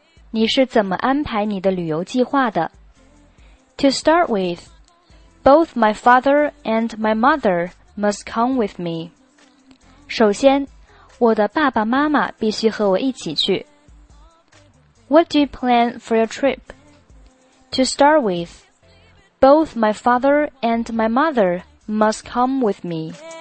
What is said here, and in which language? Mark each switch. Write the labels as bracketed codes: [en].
[zh] 你是怎么安排你的旅游计划的? [en] To start with, both my father and my mother must come with me. [zh] 首先，我的爸爸妈妈必须和我一起去。 [en] What do you plan for your trip? To start with, both my father and my mother must come with me.